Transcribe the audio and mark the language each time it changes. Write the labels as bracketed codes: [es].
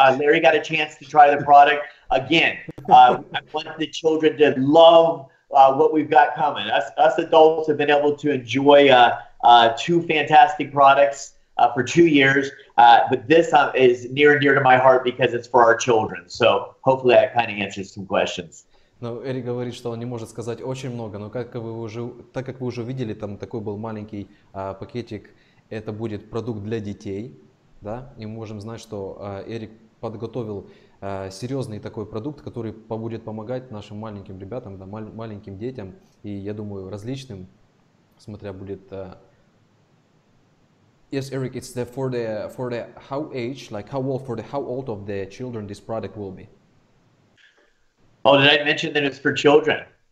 [en] Larry got a chance to try the product again. I want the children to love what we've got coming. Us adults have been able to enjoy two fantastic products for 2 years, but this is near and dear to my heart because it's for our children. So hopefully that kind of answers some questions. [ru] Но Эрик говорит, что он не может сказать очень много, но так как вы уже видели, там такой был маленький пакетик, это будет продукт для детей, да, и мы можем знать, что Эрик подготовил серьезный такой продукт, который будет помогать нашим маленьким ребятам, да, маленьким детям, и я думаю, различным, смотря будет... [en] Yes, Eric, it's the for the how age, like how old, for the how old of the children this product will be. Oh, did I mention that it's for children?